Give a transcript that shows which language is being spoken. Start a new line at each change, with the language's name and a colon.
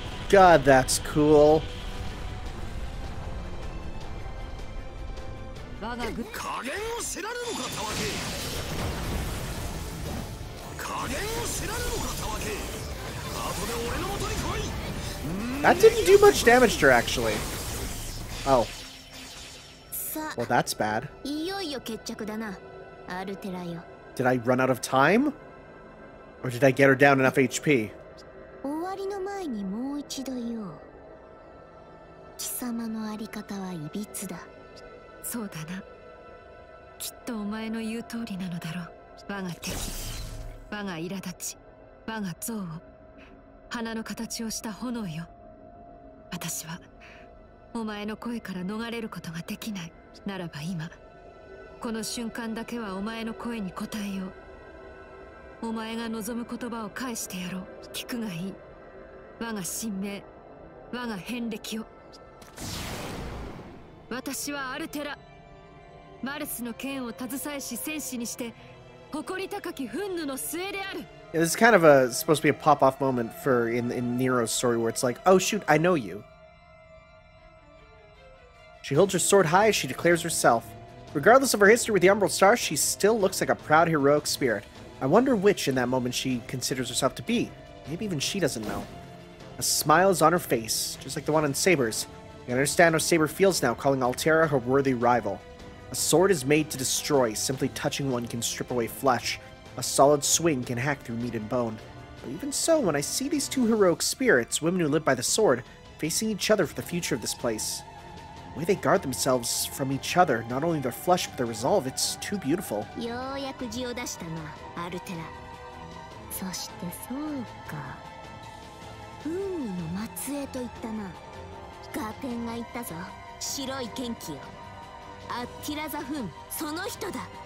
English: God, that's cool.
Japanese: 我が軍加減を知らぬのか、たわけ。加減を知らぬのか、たわけ。後で俺の元に来い。
English: That didn't do much damage to her, actually. Oh. Well, that's bad.
Japanese: いよいよ決着だな、アルテラよ。
English: Did I run out of time? Or did I get her down enough HP?
Japanese: 終わりの前にもう一度言おう。貴様のあり方はいびつだ。そうだな。きっとお前の言う通りなのだろう。我が敵、我が苛立ち、我が憎悪、花の形をした炎よ。私はお前の声から逃れることができない。ならば今この瞬間だけはお前の声に応えよう。お前が望む言葉を返してやろう。聞くがいい。我が神明、我が遍歴を。私はアルテラ、マルスの剣を携えし戦士にして誇り高き憤怒の末である。
English: This is kind of a supposed to be a pop off moment for in Nero's story where it's like, oh shoot, I know you. She holds her sword high as she declares herself. Regardless of her history with the Umbral Star, she still looks like a proud heroic spirit. I wonder which in that moment she considers herself to be. Maybe even she doesn't know. A smile is on her face, just like the one on Saber's. You can understand how Saber feels now, calling Altera her worthy rival. A sword is made to destroy. Simply touching one can strip away flesh. A solid swing can hack through meat and bone. But even so, when I see these two heroic spirits, women who live by the sword, facing each other for the future of this place... The way they guard themselves from each other, not only their flesh, but their resolve, it's too beautiful.
Japanese: ようやく字を出したな、アルテラ。そしてそうか。運命の末裔と言ったな。ガーテンが言ったぞ、白い剣気よ。アッティラザフン、その人だ。